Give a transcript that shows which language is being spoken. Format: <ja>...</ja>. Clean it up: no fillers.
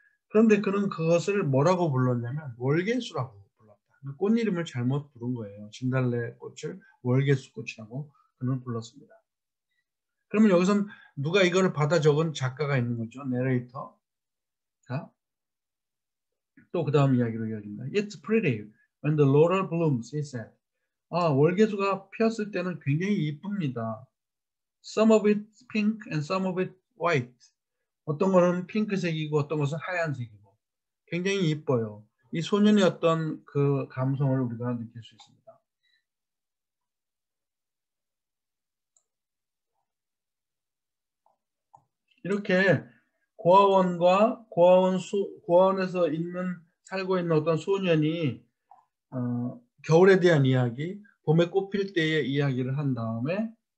<ko>그런데 그는 그것을 뭐라고 불렀냐면 월계수라고 불렀다. 꽃 이름을 잘못 부른 거예요. 진달래 꽃을 월계수 꽃이라고 그는 불렀습니다. 그러면 여기선 누가 이걸 받아 적은 작가가 있는 거죠. 내레이터. 자, 또 그다음 이야기로 이어집니다.</ko> <en>It's pretty when the laurel blooms, he said.</en> <ko>아, 월계수가 피었을 때는 굉장히 이쁩니다.</ko> <en>Some of it pink and some of it white.</en> <ko>어떤 거는 핑크색이고 어떤 것은 하얀색이고 굉장히 이뻐요. 이 소년의 어떤 그 감성을 우리가 느낄 수 있습니다. 이렇게 고아원과 고아원에서 있는 살고 있는 어떤 소년이 겨울에 대한 이야기 봄에 꽃필 때의 이야기를 한 다음에</ko>